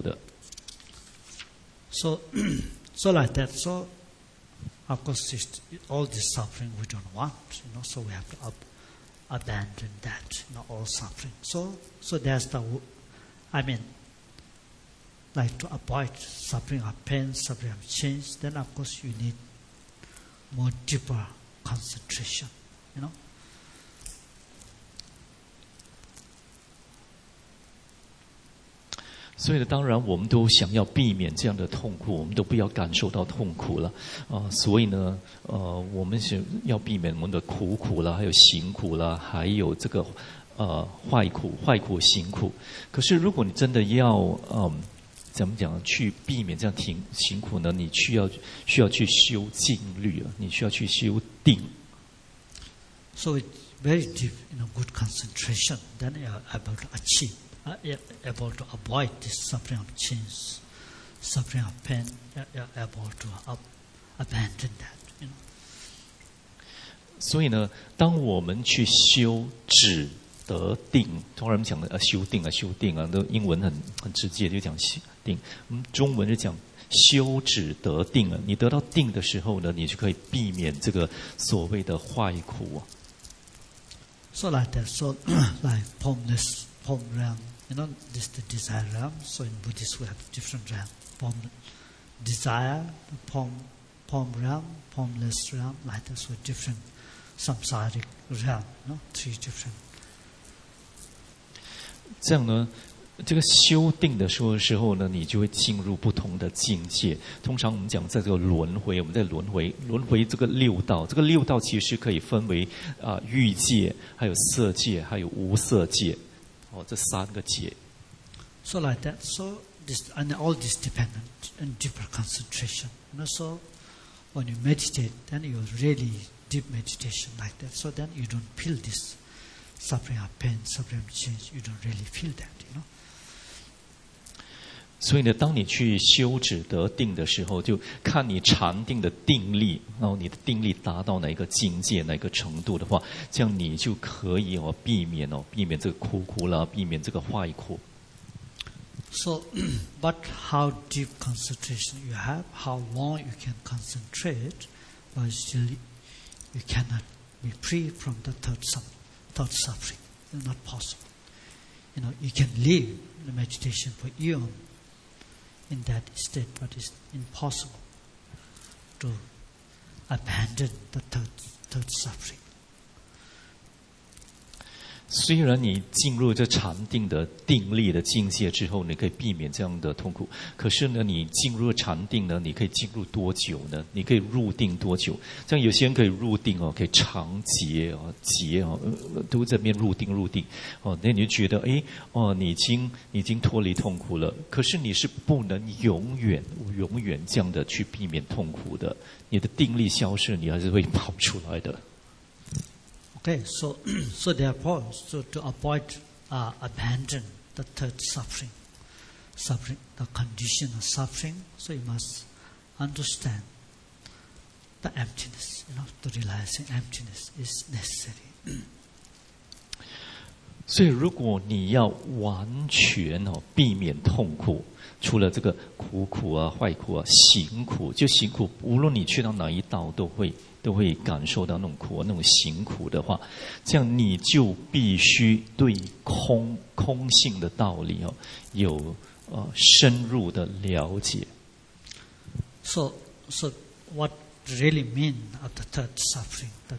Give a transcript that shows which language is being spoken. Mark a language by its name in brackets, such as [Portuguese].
[Chinese] 虽然呢，我们现在所拥有的狭满人生，我们还可以感受到各种各样的痛苦，比如说我们还可以感受到这三苦了，特别是这个坏苦了，还有我们的行苦，就是变一切处苦，就是这个苦，无论你去到哪个道都会有的。 [English] So like that, so of course all this suffering we don't want, you know, so we have to abandon that, you know, all suffering. So that's the, I mean, like to avoid suffering of pain, suffering of change, then of course you need more deeper concentration, you know. So, [Chinese] 当然，我们都想要避免这样的痛苦，我们都不要感受到痛苦了。所以呢，我们是要避免我们的苦苦了，还有行苦了，还有这个坏苦行苦。可是，如果你真的要怎么讲去避免这样行苦呢？你需要去修静虑，你需要去修定。So, [English] very deep, you know, good concentration, then you're able to achieve. Able to avoid this suffering of change, suffering of pain, you're able to abandon that, you know. [Chinese] 所以呢，当我们去修止得定，中国人讲的修定啊，修定啊，都英文很直接，就讲定。中文是讲修止得定啊。你得到定的时候呢，你就可以避免这个所谓的坏苦啊。 [English] So like that, so like formless, form realm, you know, this is the desire realm. So in Buddhist, we have different realm, form, desire, form realm, formless realm, like that, so different. Samsaric realm, no? Three different. [Chinese] 这样呢，这个修定的时候呢，你就会进入不同的境界。通常我们讲在这个轮回，我们在轮回这个六道，这个六道其实可以分为欲界，还有色界，还有无色界，哦，这三个界。 [English] So like that, so this and all this dependent and deeper concentration. You know, so when you meditate, then you really. Deep meditation like that, so then you don't feel this suffering of pain, suffering of change. You don't really feel that, you know. [Chinese] 所以呢，当你去修止得定的时候，就看你禅定的定力，然后你的定力达到哪一个境界、哪一个程度的话，这样你就可以哦，避免这个苦了，避免这个坏苦。 [English] So, but how deep concentration you have, how long you can concentrate, but still. You cannot be free from the third suffering. It's not possible. You know, you can live the meditation for eon in that state, but it's impossible to abandon the third suffering. [Chinese] 虽然你进入这禅定的定力的境界之后，你可以避免这样的痛苦。可是呢，你进入禅定呢，你可以进入多久呢？你可以入定多久？像有些人可以入定哦，可以长劫哦，劫哦，都在那边入定哦，那你就觉得哎哦，你已经脱离痛苦了。可是你是不能永远这样的去避免痛苦的。你的定力消失，你还是会跑出来的。 [English] Okay, so therefore, so to avoid, abandon the third suffering, the condition of suffering, so you must understand the emptiness, you know, to realizing emptiness is necessary. [Chinese] 所以如果你要完全哦避免痛苦，除了这个苦啊、坏苦啊、行苦，无论你去到哪一道都会感受到那种苦，那种行苦的话，这样你就必须对空性的道理哦，有深入的了解。 [English] So what really mean of the third suffering?